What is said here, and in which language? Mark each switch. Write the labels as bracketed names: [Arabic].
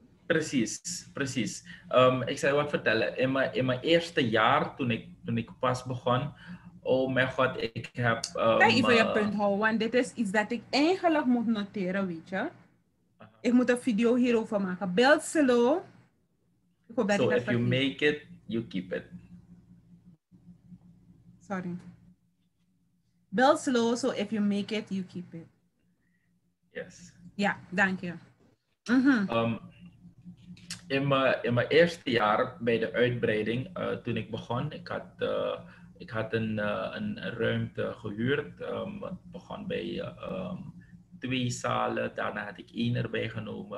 [Dutch] Precies. Ik zal je wat vertellen. In mijn eerste jaar, toen ik pas begon, oh mijn god, ik heb... even je punt houden, want dit is iets dat ik eigenlijk moet noteren, weet je. Ik moet een video hierover maken. [English] Build slow. So if you make it, you keep it. Sorry. Build slow, so if you make it, you keep it. Yes. [Dutch] Ja, dank je. In mijn eerste jaar bij de uitbreiding, toen ik begon, ik had een ruimte gehuurd. Het begon bij 2 zalen, daarna had ik 1 erbij genomen.